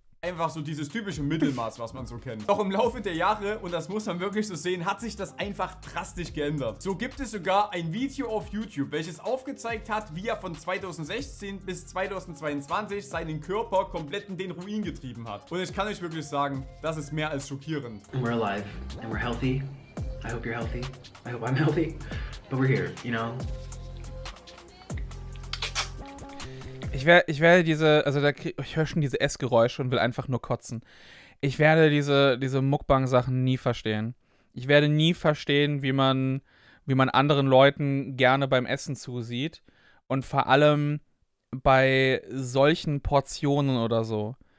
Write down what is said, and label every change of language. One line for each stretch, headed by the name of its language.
German: Einfach so dieses typische Mittelmaß, was man so kennt. Doch im Laufe der Jahre, und das muss man wirklich so sehen, hat sich das einfach drastisch geändert. So gibt es sogar ein Video auf YouTube, welches aufgezeigt hat, wie er von 2016 bis 2022 seinen Körper komplett in den Ruin getrieben hat. Und ich kann euch wirklich sagen, das ist mehr als schockierend.
English: And we're alive, and we're healthy. I hope you're healthy. I hope I'm healthy. But we're here, you know?
German: Ich werde diese, also da ich höre schon diese Essgeräusche und will einfach nur kotzen. Ich werde diese Mukbang-Sachen nie verstehen. Ich werde nie verstehen, wie man anderen Leuten gerne beim Essen zusieht. Und vor allem bei solchen Portionen oder so.